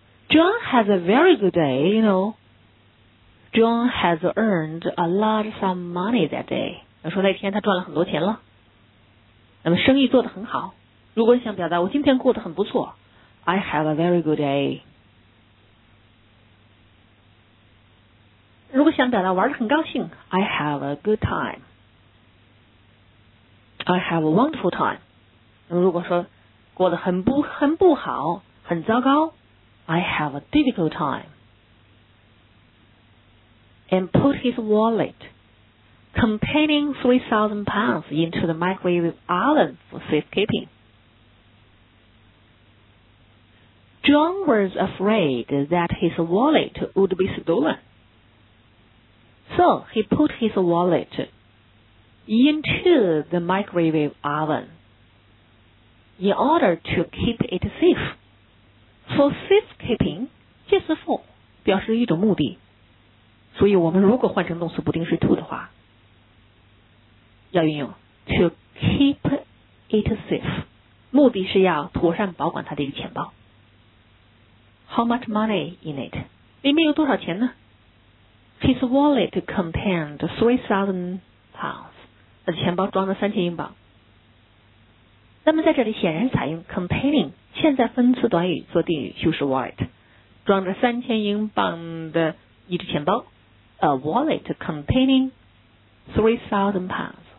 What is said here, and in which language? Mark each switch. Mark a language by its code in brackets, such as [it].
[en] John has a very good day, you know. John has earned a large sum of money that day. [zh] 他说那天他赚了很多钱了。那么生意做得很好。如果你想表达我今天过得很不错 [en] I have a very good day. [zh] 如果想表达玩得很高兴 [en] I have a good time. I have a wonderful time. [zh] 那么如果说过得很不好，很糟糕。 [en] I have a difficult time. And put his wallet containing 3,000 pounds into the microwave oven for safekeeping. John was afraid that his wallet would be stolen. So he put his wallet into the microwave oven. In order to keep it safe. [zh] For safekeeping, 介词 for 表示一种目的。所以我们如果换成动词不定式 to 的话要运用 [en] to keep it safe. [zh] 目的是要妥善保管他的一个钱包。 [en] How much money in it? [zh] 里面有多少钱呢? [en] His wallet contained 3,000 pounds. [zh] 他的钱包装了3000英镑。那么在这里显然采用 containing 现在分词短语做定语修饰 wallet 装着3000英镑的一只钱包 [en] A wallet containing 3000 pounds